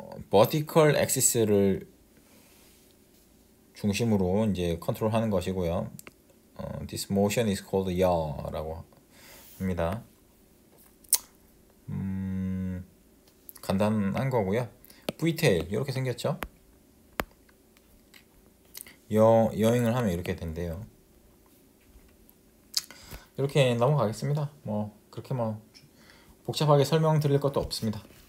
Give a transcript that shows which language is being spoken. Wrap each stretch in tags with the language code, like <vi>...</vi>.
<ko>버티컬 액시스를 중심으로 이제 컨트롤하는 것이고요.</ko> <en>This motion is called yaw</en> <ko>라고 합니다. 간단한 거고요. V-tail 이렇게 생겼죠. 여행을 하면 이렇게 된대요. 이렇게 넘어가겠습니다. 뭐 그렇게 뭐 복잡하게 설명드릴 것도 없습니다.</ko>